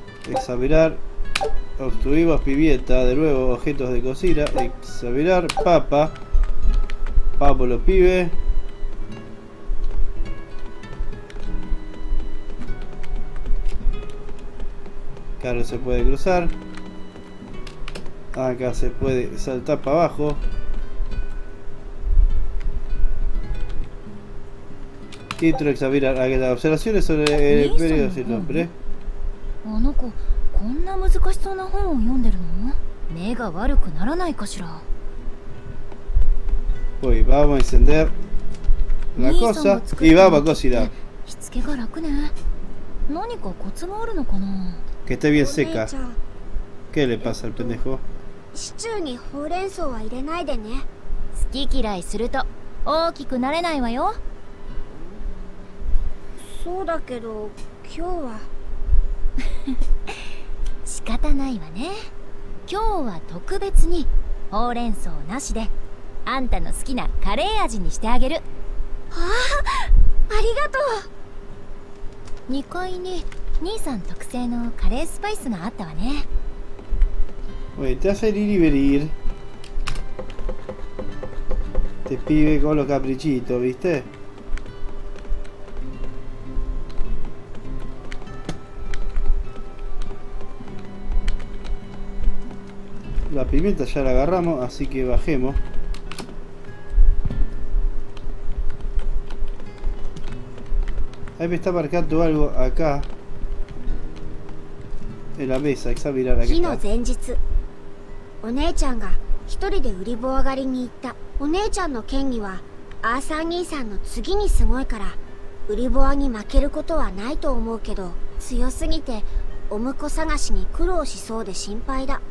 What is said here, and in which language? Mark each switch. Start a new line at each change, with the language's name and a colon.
Spanish: Examinar. Obtuvimos pimienta, de nuevo objetos de cocina, examinar, papa, pablo pibe, carro se puede cruzar, acá se puede saltar para abajo, intro, examinar, acá las observaciones sobre el periodo sin nombre.
Japanese: こんな難しそうな本を読んでるの？目が悪くならないかしら。
Spanish: おい、vamos a encender la cosa y vamos a cocinar。
Japanese: しつけが楽ね。何かコツがあるのかな？
Spanish: Que esté bien seca。 ¿Qué le pasa al pendejo？
Japanese: シチューにほうれん草は入れないでね。好き嫌いすると大きくなれないわよ。そうだけど、今日は。仕方ないわね。今日は特別にほうれん草なしであんたの好きなカレー味にしてあげる。ああ、ありがとう。 2階に兄さん特製のカレースパイスがあったわね。
Spanish: おい、te hace ir y venir。 te pide con los caprichitos, viste? La pimienta ya la agarramos, así que bajemos. Ahí me está marcando algo acá en la mesa. Examinar aquí.
Japanese: Sino, 前日 Onechan が一人で売り棒上がりに行った。お姉ちゃんの剣技はアーサー兄さんの次にすごいから、売り棒に負けることはないと思うけど、強すぎてお婿探しに苦労しそうで心配だ。